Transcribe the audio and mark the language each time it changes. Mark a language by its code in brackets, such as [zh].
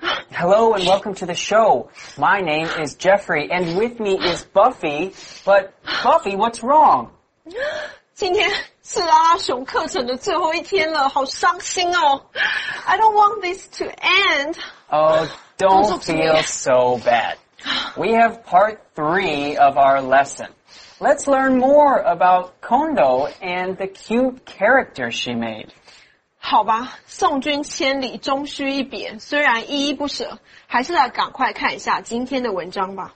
[en] Hello and welcome to the show. My name is Jeffrey and with me is Buffy. But Buffy, what's wrong? [zh] 今天是阿熊课程的最后一天了，好伤心哦。 [en] I don't want this to end. Oh, don't feel so bad. We have part three of our lesson. Let's learn more about Kondo and the cute character she made. [zh] 好吧，送君千里终须一别，虽然依依不舍，还是来赶快看一下今天的文章吧。